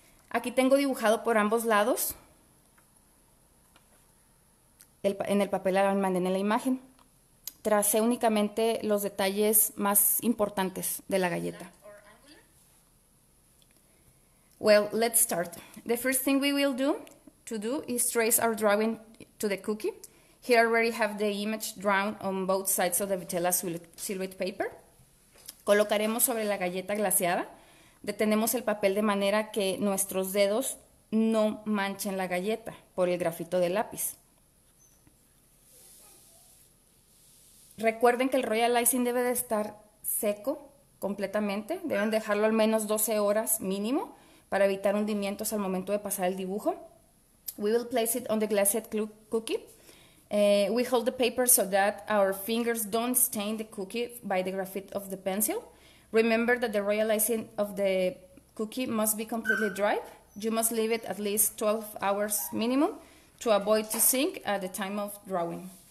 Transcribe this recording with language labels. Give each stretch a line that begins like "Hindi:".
Spanish: Aquí tengo dibujado por ambos lados en el papel albanene en la imagen. Tracé únicamente los detalles más importantes de la galleta.
English: Well, let's start. The first thing we will do to do is trace our drawing to the cookie. Here I already have the image drawn on both sides of the Vitela silhouette paper.
Spanish: Colocaremos sobre la galleta glaseada. Detenemos el papel de manera que nuestros dedos no manchen la galleta por el grafito del lápiz. Recuerden que el Royal Icing debe de estar seco completamente. Deben dejarlo al menos 12 horas mínimo para evitar hundimientos al momento de pasar el dibujo.
English: We will place it on the glazed cookie. We hold the paper so that our fingers don't stain the cookie by the graphite of the pencil. Remember that the royal icing of the cookie must be completely dry. You must leave it at least 12 hours minimum to avoid to sink at the time of drawing.